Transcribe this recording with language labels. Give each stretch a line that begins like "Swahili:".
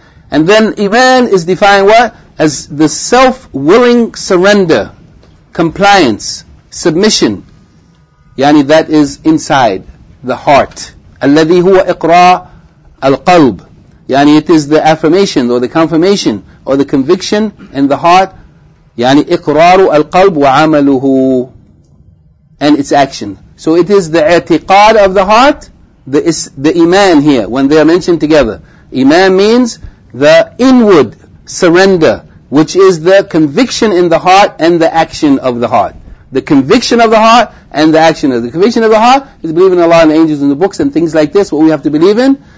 English: And then Iman is defined what? As the self-willing surrender, compliance, submission, yani that is inside the heart.
Arabic: الَّذِي هُوَ إِقْرَاءَ الْقَلْبِ.
English: Yani it is the affirmation or the confirmation or the conviction in the heart.
Arabic: Yani إِقْرَارُ الْقَلْبِ وَعَمَلُهُ.
English: And its action. So it is the اعتقاد of the heart, the Iman here, when they are mentioned together. Iman means the inward surrender, which is the conviction in the heart and the action of the heart. The conviction of the heart and the action of the conviction of the heart is believing in Allah and the angels and the books and things like this, what we have to believe in.